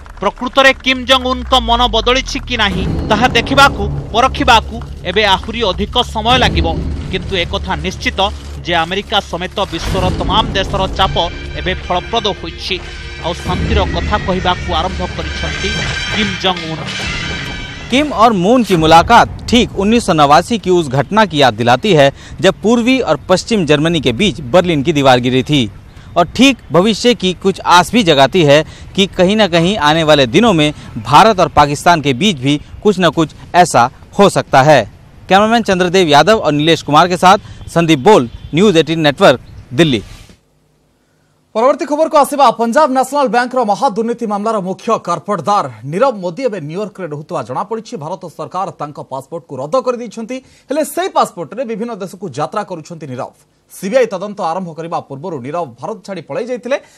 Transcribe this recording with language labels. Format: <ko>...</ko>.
<or>ପ୍ରକୃତରେ Kim Jong ଉନ୍ଙ୍କ ମନ ବଦଳିଛି କି ନାହିଁ ତାହା ଦେଖିବାକୁ ପରଖିବାକୁ ଏବେ ଆହୁରି ଅଧିକ ସମୟ ଲାଗିବ। କିନ୍ତୁ ଏକଥା ନିଶ୍ଚିତ ଯେ ଆମେରିକା ସମେତ ବିଶ୍ୱର ତମାମ ଦେଶର ଚାପ ଏବେ ଫଳପ୍ରଦ ହୋଇଛି ଆଉ ଶାନ୍ତିର କଥା କହିବାକୁ ଆରମ୍ଭ କରିଛନ୍ତି କିମ୍ ଜଙ୍ଗ ଉନ୍।</or> <hi>किम और मून की मुलाकात ठीक 1989 की उस घटना की याद दिलाती है जब पूर्वी और पश्चिम जर्मनी के बीच बर्लिन की दीवार गिरी थी और ठीक भविष्य की कुछ आस भी जगाती है कि कहीं ना कहीं आने वाले दिनों में भारत और पाकिस्तान के बीच भी कुछ न कुछ ऐसा हो सकता है। कैमरामैन चंद्रदेव यादव और नीलेश कुमार के साथ संदीप बोल, News18 नेटवर्क, दिल्ली।</hi> <or>ପରବର୍ତ୍ତୀ ଖବରକୁ ଆସିବା। ପଞ୍ଜାବ ନ୍ୟାସନାଲ୍ ବ୍ୟାଙ୍କର ମହାଦୁର୍ନୀତି ମାମଲାର ମୁଖ୍ୟ କର୍ପଟଦାର ନୀରବ ମୋଦି ଏବେ ନ୍ୟୁୟର୍କରେ ରହୁଥିବା ଜଣାପଡ଼ିଛି। ଭାରତ ସରକାର ତାଙ୍କ ପାସପୋର୍ଟକୁ ରଦ୍ଦ କରିଦେଇଛନ୍ତି, ହେଲେ ସେହି ପାସପୋର୍ଟରେ ବିଭିନ୍ନ ଦେଶକୁ ଯାତ୍ରା କରୁଛନ୍ତି ନୀରବ। ସିବିଆଇ ତଦନ୍ତ ଆରମ୍ଭ କରିବା ପୂର୍ବରୁ ନୀରବ ଭାରତ ଛାଡ଼ି ପଳାଇ ଯାଇଥିଲେ।</or>